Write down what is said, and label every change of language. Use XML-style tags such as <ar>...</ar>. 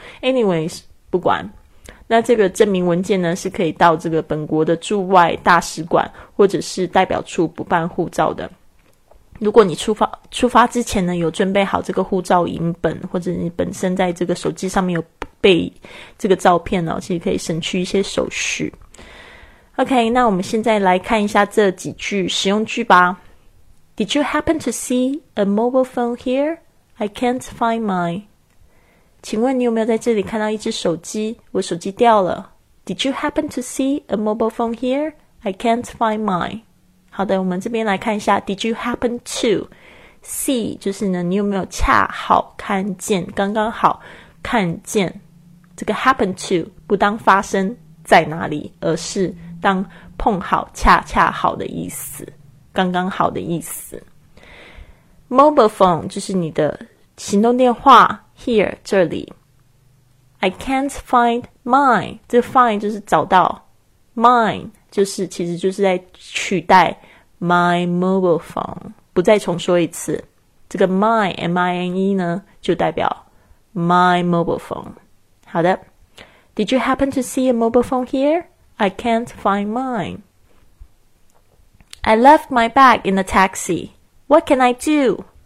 <zh>anyways 不管，那这个证明文件呢是可以到这个本国的驻外大使馆或者是代表处补办护照的。如果你出发之前呢有准备好这个护照影本，或者你本身在这个手机上面有备这个照片呢，其实可以省去一些手续。 OK， 那我们现在来看一下这几句实用句吧。</zh> <en>Did you happen to see a mobile phone here? I can't find mine.</en> <zh>请问你有没有在这里看到一只手机？我手机掉了。</zh> <en>Did you happen to see a mobile phone here? I can't find mine.</en> <zh>好的，我们这边来看一下</zh> <en>Did you happen to see，</en> <zh>就是呢你有没有恰好看见，刚刚好看见。这个 happen to 不当发生在哪里，而是当碰好恰恰好的意思，刚刚好的意思。 Mobile phone 就是你的行动电话。 Here 这里</zh> <en>I can't find mine，</en> <zh>这 find 就是找到， mine就是其实就是在取代 my mobile phone。不再重说一次，这个 mine M-I-N-E 呢就代表 my mobile phone。</zh> <en>好的， Did you happen to see a mobile phone here? I can't find mine. I left my bag in the taxi. What can I do?</en>